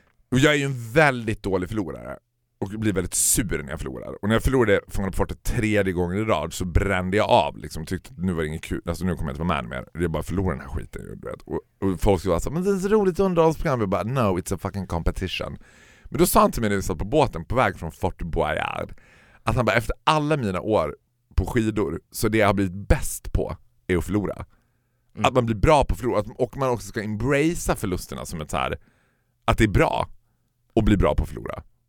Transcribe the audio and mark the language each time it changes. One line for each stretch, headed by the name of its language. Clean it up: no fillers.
Swedish: Och jag är ju en väldigt dålig förlorare. Och blir väldigt sur när jag förlorar. Och när jag förlorade Fångarna på fortet tredje gången i rad så brände jag av. Liksom. Tyckte att nu var det inget kul. Alltså nu kommer jag inte vara med mer. Det är bara förlora den här skiten. Och folk skulle vara så här, men det är så roligt underhållsprogram. Vi bara,
English: no, it's a fucking competition.
Swedish: Men då sa han till mig när vi satt på båten på väg från Fort Boyard. Att han bara, efter alla mina år på skidor, så det jag har blivit bäst på är att förlora. Mm. Att man blir bra på förlora. Och man också ska embracea förlusterna som ett så här, att det är bra att bli bra på förlora.